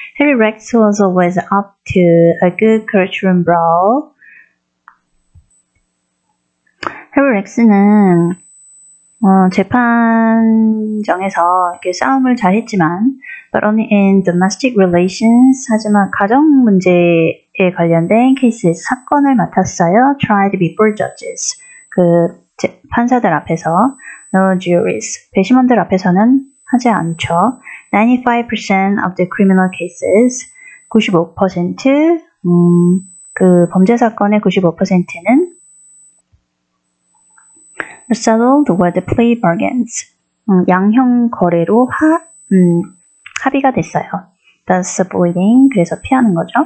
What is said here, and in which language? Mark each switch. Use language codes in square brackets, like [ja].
[en] Harry Rex was always up to a good courtroom brawl. [ko] Harry Rex는 재판정에서 이렇게 싸움을 잘 했지만 [en] but only in domestic relations [ko] 하지만 가정 문제에 관련된 케이스 사건을 맡았어요. [en] Tried before judges [ko] 그 판사들 앞에서 [en] No juries. [ko] 배심원들 앞에서는 하지 않죠. [en] 95% of the criminal cases. 95% [ko] 그 범죄 사건의 95%는 [en] settle the way the plea bargains. [ko] 양형 거래로 합의가 됐어요. [en] That's avoiding. [ko] 그래서 피하는 거죠.